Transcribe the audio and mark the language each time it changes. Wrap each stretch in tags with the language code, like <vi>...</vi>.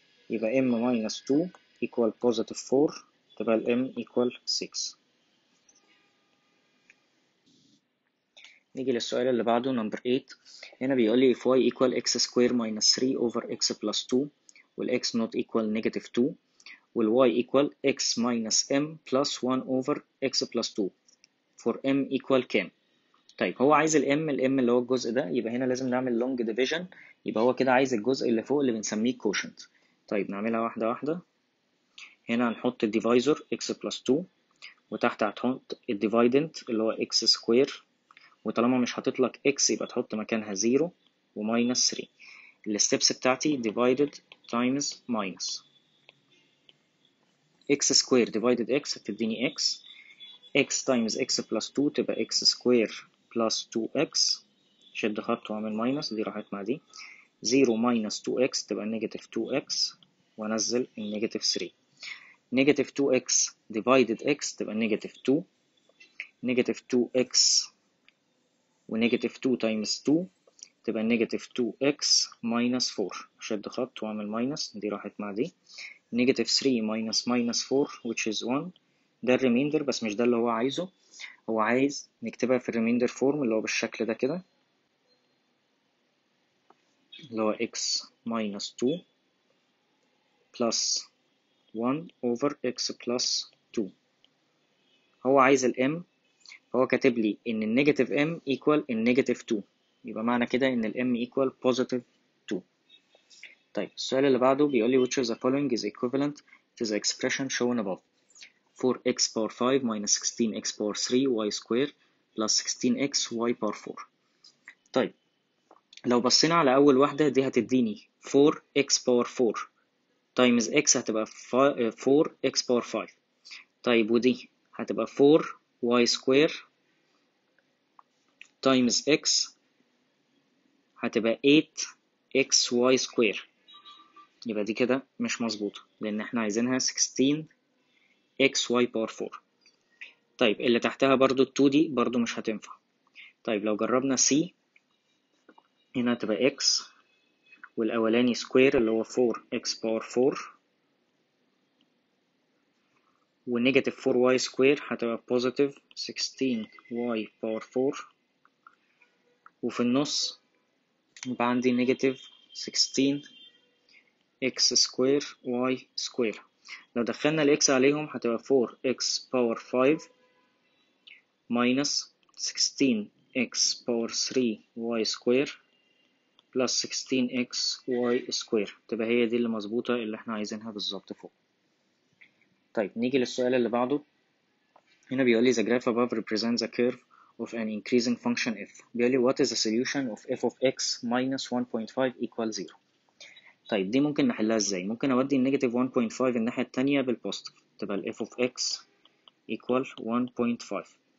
<ar>يبقى m minus 2 equal positive 4 تبقى ال m equal 6. نيجي للسؤال اللي بعده number 8. هنا بيقول لي</ar> <en>if y equal x square minus 3 over x plus 2 والx not equal negative 2 والy equal x minus m plus 1 over x plus 2 for m equal كام.</en> <ar>طيب هو عايز الm, الm اللي هو الجزء ده, يبقى هنا لازم نعمل long division. يبقى هو كده عايز الجزء اللي فوق اللي بنسميه quotient. طيب نعملها واحدة واحدة. هنا هنحط الديفايزر x plus 2 وتحت هتحط الديفايدنت اللي هو x square, وطالما مش هتطلق x يبقى تحط مكانها 0 و minus 3. الستبس بتاعتي divided times minus x square divided x تديني x, x times x plus 2 تبقى x square plus 2x, شد خط وعمل minus, دي راحت مع دي, 0 minus 2x تبقى negative 2x, ونزل negative 3. negative 2x divided x تبقى negative 2, negative 2x ونegative 2 times 2 تبقى negative 2x minus 4, شد خط وعمل minus, دي راحت مع دي, negative 3 minus minus 4 which is 1. ده الريميندر, بس مش ده اللي هو عايزه. هو عايز نكتبها في الريميندر فورم اللي هو بالشكل ده كده, اللي هو x minus 2 plus 1 over x plus 2. هو عايز ال m, فهو كاتب لي ان ال negative m equal ال negative 2, يبقى معنى كده ان ال m equal positive. طيب السؤال اللي بعده بيقول لي</ar> <en>which of the following is equivalent to the expression shown above, 4x power 5 minus 16x power 3 y square plus 16x y power 4.</en> <ar>طيب لو بصينا على اول واحدة دي هتديني 4x power 4 times x هتبقى 4x power 5. طيب ودي هتبقى 4y square times x هتبقى 8xy square. يبقى دي كده مش مظبوط, لان احنا عايزينها 16xy power 4. طيب اللي تحتها برضو ال 2 دي برضو مش هتنفع. طيب لو جربنا c, هنا تبقى x والاولاني square اللي هو 4x power 4 ونegative 4y square هتبقى positive 16y power 4, وفي النص يبقى عندي negative 16 x square y square. لو دخلنا ال x عليهم هتبقى 4x power 5 minus 16x power 3 y square plus 16x y square, تبقى هي دي اللي مظبوطة اللي احنا عايزينها بالظبط فوق. طيب نيجي للسؤال اللي بعده. هنا بيقول لي</ar> <en>the graph above represents a curve of an increasing function f.</en> <ar>بيقول لي</ar> <en>what is the solution of f of x minus 1.5 equals 0.</en> <ar>طيب دي ممكن نحلها ازاي؟ ممكن اودي النيجاتيف 1.5 الناحية التانية بالبوزيتيف تبقى ال f of x equal 1.5.</ar>